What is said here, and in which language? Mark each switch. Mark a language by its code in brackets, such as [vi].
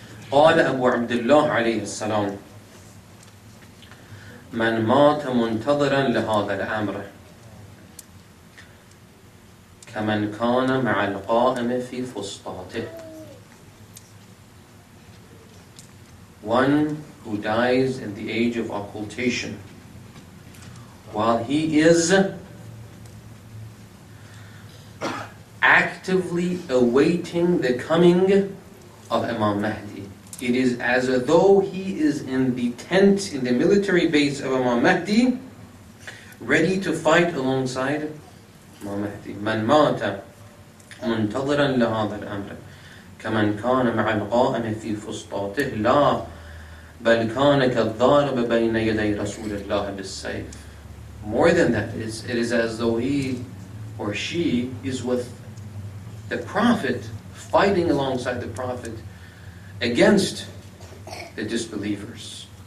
[ar] قال أبو عبد الله عليه السلام من مات منتظرا لهذا الأمر كمن كان مع القائم في فسطاته. [en] One who dies in the age of occultation while he is actively awaiting the coming of Imam Mahdi. It is as though he is in the tent in the military base of Imam Mahdi, ready to fight alongside Imam Mahdi. [ar] من مات منتظرا لهذا الأمر. كمن كان مع القائم في فسطاته لا بل كان كالضارب بين يدي رسول الله بالسيف. [en] More than that is, it is as though he or she is with the prophet, fighting alongside the prophet against the disbelievers.